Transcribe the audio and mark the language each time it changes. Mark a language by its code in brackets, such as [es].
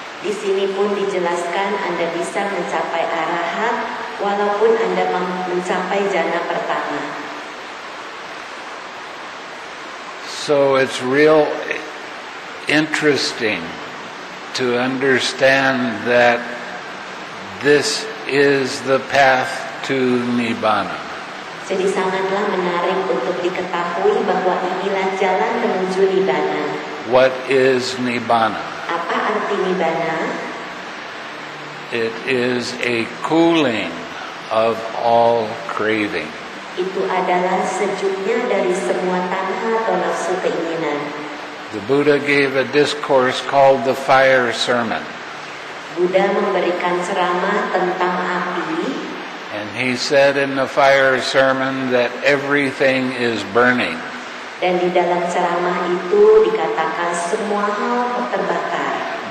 [id] Di sini pun dijelaskan Anda bisa mencapai arahat walaupun Anda mencapai jhana pertama. [en] So it's real interesting to understand that this is the path to Nibbana. [id] Jadi sangatlah menarik untuk diketahui bahwa inilah jalan menuju Nibbana. [en] What is Nibbana? [id] Apa arti Nibbana? [en] It is a cooling of all craving. [id] Itu adalah sejuknya dari semua tanha atau nafsu keinginan. [en] The Buddha gave a discourse called the Fire Sermon. [id] Buddha memberikan ceramah tentang api. [en] And he said in the Fire Sermon that everything is burning. [id] Dan di dalam ceramah itu dikatakan semua hal terbakar.